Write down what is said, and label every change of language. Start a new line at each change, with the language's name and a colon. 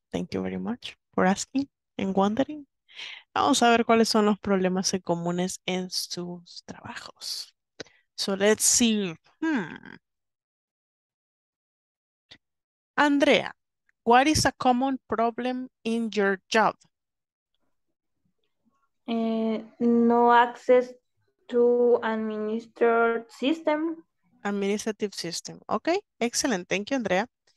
English: Thank you very much for asking and wondering.
Spanish: Vamos a ver cuáles son los problemas comunes en sus trabajos.
English: So let's see. Andrea, what is a common problem in your job? No access to administered system. Administrative system. Okay, excellent. Thank you, Andrea.